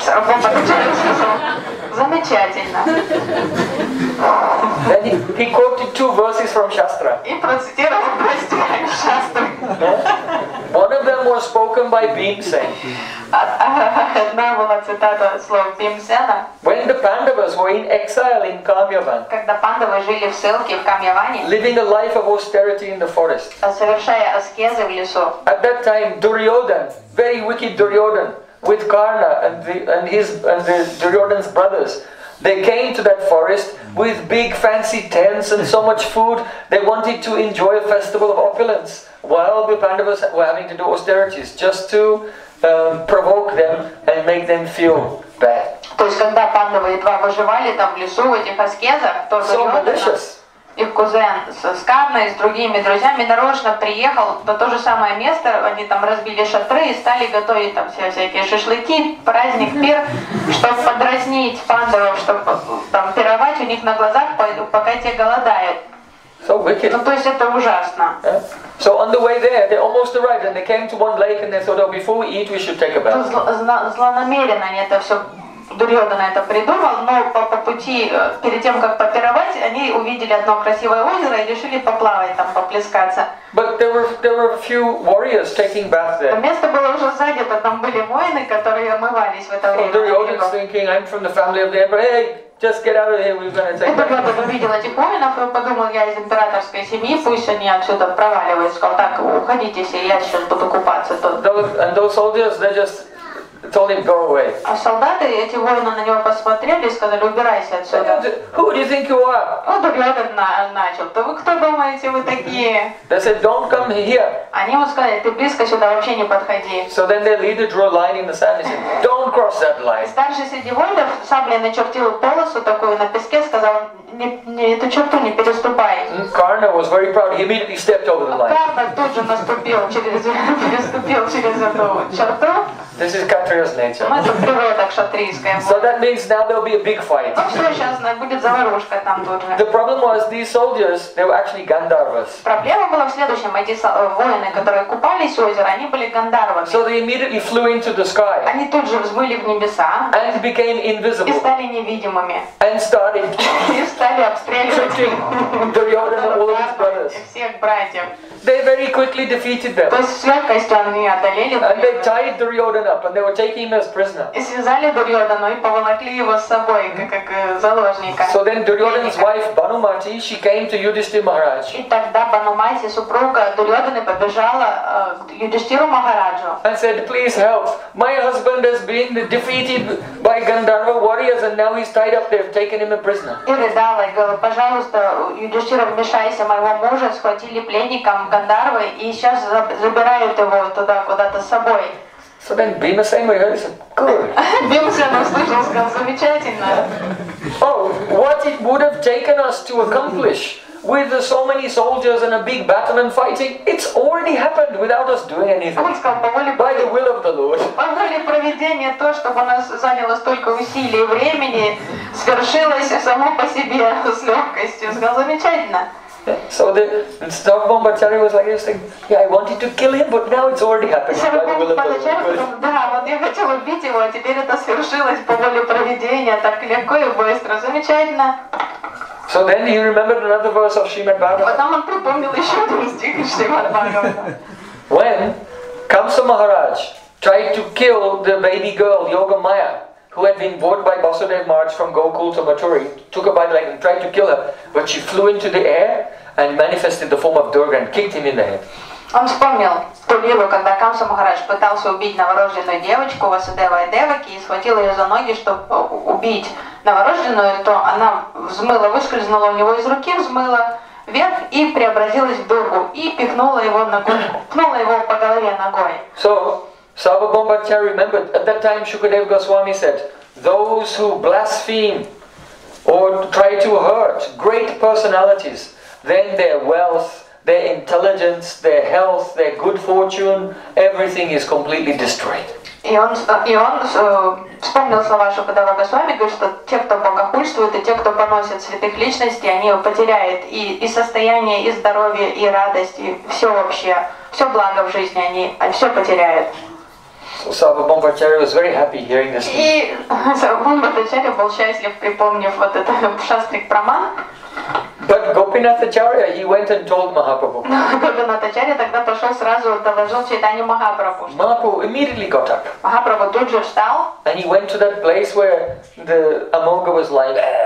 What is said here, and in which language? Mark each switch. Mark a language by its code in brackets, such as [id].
[ru] Сарвабхаумбхачарья сказал, замечательно. [en] Then he quoted two verses from Shastra. [ru] И процитировал два стиха из Шастры. [en] One of them was spoken by Bhimsen. [ru] Одна была цитата слов Бхимсена. [en] When the Pandavas were in exile in Kamyavan. [ru] Когда пандавы жили в ссылке в Камьяване. [en] Living a life of austerity in the forest. [ru] Совершая аскезы в лесу. [en] At that time, Duryodhan, very wicked Duryodhan, with Karna and the Duryodhan's brothers. They came to that forest with big fancy tents and so much food. They wanted to enjoy a festival of opulence while the Pandavas were having to do austerities just to provoke them and make them feel bad. [ru] То есть когда пандавы едва выживали там в лесу в этих аскезах, то их кузен с Карной с другими друзьями нарочно приехал на то же самое место, они там разбили шатры и стали готовить там все всякие шашлыки, праздник, пир, чтобы подразнить пандавов, чтобы там пировать у них на глазах, пока те голодают. [en] So wicked. [ru] Ну то есть это ужасно. [en] Yeah. So on the way there, they almost arrived and they came to one lake and they thought, oh, before we eat, we should take a bath. [ru] Злонамеренно они это все. Дурьёдана это придумал, но по пути, перед тем, как попировать, они увидели одно красивое озеро и решили поплавать там, поплескаться. [en] But there were a few warriors taking bath there. [ru] Место было уже занято, там были воины, которые омывались в это время. [en] Дурьёдан's thinking, I'm from the family of the emperor, hey, just get out of here, we're gonna take bath. [ru] Этот увидел этих воинов и подумал, я из императорской семьи, пусть они отсюда проваливаются. Сказал, так, уходите все, я сейчас буду купаться тут. [en] And those soldiers, they just told him, go away. [ru] А солдаты, эти воины на него посмотрели и сказали, убирайся отсюда. [en] Who do you think you are? [ru] Он Дурьёдан начал. То вы кто думаете, вы такие? [en] They said, don't come here. [ru] Они ему сказали, ты близко сюда вообще не подходи. [en] So then their leader drew a line in the sand and said, don't cross that line. [ru] Старший среди воинов саблей начертил полосу такую на песке, сказал, не эту черту не переступай. [en] Карна was very proud. He immediately stepped over the line. [ru] Карна тут же переступил через эту черту. [en] This is Kshatriya's nature. [ru] Мы тут тоже вот так кшатрийская. [en] So that means now there'll be a big fight. [ru] Ну что, сейчас будет заварушка там тоже. [en] The problem was these soldiers, they were actually Gandharvas. [ru] Проблема была в следующем, эти воины, которые купались у озера, они были Гандхарвами. [en] So they immediately flew into the sky. [ru] Они тут же взмыли в небеса. [en] And became invisible. [ru] И стали невидимыми. [en] And started. [ru] И стали обстреливать. [en] Дурьёдана и all his brothers. [ru] Всех братьев. [en] They very quickly defeated them. [ru] То есть с легкостью они одолели. [en] And they tied Duryodhana up, and they were taking him as prisoner. [ru] И связали Дурьёдану и поволокли его с собой, как заложника. [en] So then Duryodhana's wife Банумати, she came to Yudhishthira Maharaj. [ru] И тогда Банумати, супруга Дурьёдана, побежала к Юдхиштхиру Махараджу. [en] And said, "Please help! My husband has been defeated by Gandharva warriors, and now he's tied up. They've taken him a prisoner." [ru] И рыдала, говорила, пожалуйста, Юдхиштхира, вмешайся, моего мужа схватили пленника. Гандхарвы и сейчас забирают его туда куда-то с собой. [en] So then Bhimasena goes, good. [ru] Bhimasena услышал, сказал, замечательно. [en] Oh, what it would have taken us to accomplish with so many soldiers and a big battle and fighting, it's already happened without us doing anything. By the will of the Lord. [ru] По воле проведения то, чтобы у нас заняло столько усилий и времени, свершилось само по себе с легкостью. Сказал, замечательно. [en] So the Stavbombachari was like, saying, "Yeah, I wanted to kill him, but now it's already happened." By the will of the Lord. [ru] Да, вот я хотела убить его, а теперь это свершилось по воле проведения, так легко и быстро, замечательно. [en] So then he remembered another verse of Shrimad Bhagavatam. [ru] Потом он припомнил еще один стих из Шримад Бхагаватам. [en] When Kamsa Maharaj tried to kill the baby girl Yogamaya, who had been brought by Vasudev Maharaj from Gokul to Mathura, took her by the leg and tried to kill her, but she flew into the air and manifested the form of Durga and kicked him in the head. [ru] Он вспомнил ту лилу, когда Камса Махарадж пытался убить новорожденную девочку Васудева и Деваки и схватил ее за ноги, чтобы убить новорожденную, то она взмыла, выскользнула у него из руки, взмыла вверх и преобразилась в Дургу и пихнула его ногой, пнула его по голове ногой. [en] So, Sarvabhaumacharya remembered, at that time Shukadeva Goswami said, those who blaspheme or try to hurt great personalities, then their wealth, their intelligence, their health, their good fortune, everything is completely destroyed. [ru] И он вспомнил слова Шукадева Госвами, говорит, что те, кто богохульствует, и те, кто поносит святых личностей, они его потеряют и состояние, и здоровье, и радость, и все общее, все благо в жизни они все потеряют. [en] So Sarvabhaumacharya was very happy hearing this. [ru] И Sarvabhaumacharya был счастлив, припомнив вот этот шастрик Праман. [en] But Gopinathacharya, he went and told Mahaprabhu. [ru] Gopinathacharya тогда пошел сразу доложил Чайтанью Махапрабху. [en] Mahaprabhu immediately got up. [ru] Махапрабху тут же встал. [en] And he went to that place where the Amoga was lying.